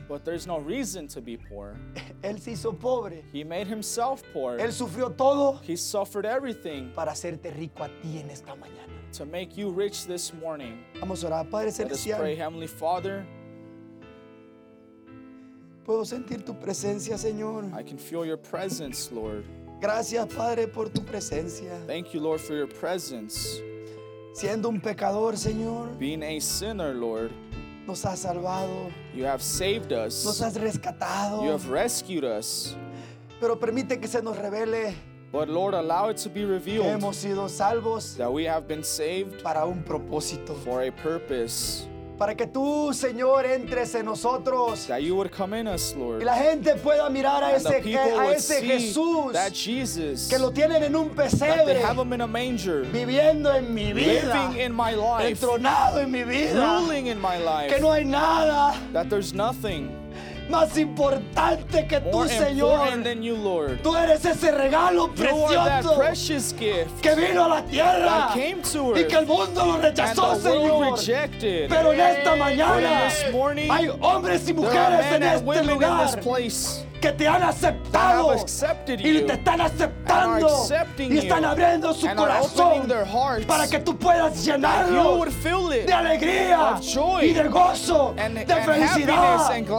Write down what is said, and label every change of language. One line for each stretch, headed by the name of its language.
English: But there's no reason to be poor.
Spanish: Él se hizo pobre.
English: He made himself poor.
Spanish: Él sufrió todo.
English: He suffered everything.
Spanish: Para hacerte rico a ti en esta mañana.
English: To make you rich this morning.
Spanish: Vamos a orar, Padre Celestial.
English: Let us pray, Heavenly Father.
Spanish: Puedo sentir tu presencia, Señor.
English: I can feel your presence, Lord.
Spanish: Gracias, Padre, por tu presencia.
English: Thank you, Lord, for your presence.
Spanish: Siendo un pecador, Señor.
English: Being a sinner, Lord.
Spanish: Nos has salvado.
English: You have saved us.
Spanish: Nos has rescatado.
English: You have rescued us.
Spanish: Pero permite que se nos revele.
English: But Lord, allow it to be revealed
Spanish: que hemos sido salvos
English: that we have been saved
Spanish: para un propósito.
English: For a purpose.
Spanish: Para que tú, Señor, entres en nosotros.
English: That you would come in us, Lord.
Spanish: Y la gente pueda mirar
English: and
Spanish: a ese,
English: the people
Spanish: a ese Jesús
English: that Jesus,
Spanish: que lo tienen en un pesebre,
English: that they have him in a manger,
Spanish: viviendo en mi vida,
English: living in my life,
Spanish: entronado en mi vida,
English: ruling in my life,
Spanish: que no hay nada,
English: that there's nothing
Spanish: más importante que tú,
English: more
Spanish: Señor.
English: Important than you, Lord.
Spanish: Tú eres ese regalo precioso
English: precious gift
Spanish: que vino a la tierra
English: came to earth
Spanish: y que el mundo lo rechazó, Señor.
English: Rejected.
Spanish: Pero en esta mañana
English: morning,
Spanish: hay hombres y mujeres en este lugar
English: in this place
Spanish: que te han aceptado y te están aceptando y están abriendo su corazón para que tú puedas llenarlo de alegría y de gozo, de felicidad.